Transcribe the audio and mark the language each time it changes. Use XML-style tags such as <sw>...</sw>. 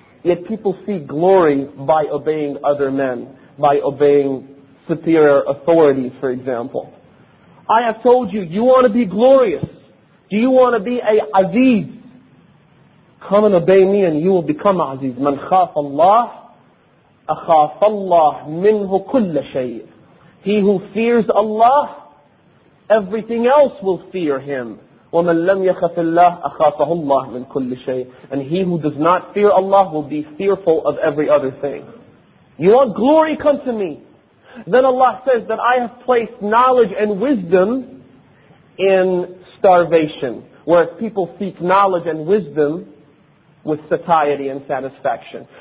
<en>Yet people seek glory by obeying other men, by obeying superior authorities, for example. I have told you, you want to be glorious. Do you want to be a aziz? Come and obey me and you will become aziz.</en> <ar>Man khaf Allah, أخاف الله منه كل شيء.</ar> <en>He who fears Allah, everything else will fear him.</en> <ar>ومن لم يخف الله أخافه الله من كل شيء.</ar> <en>And he who does not fear Allah will be fearful of every other thing. You want glory? Come to me. Then Allah says that I have placed knowledge and wisdom in starvation, where people seek knowledge and wisdom with satiety and satisfaction.</en>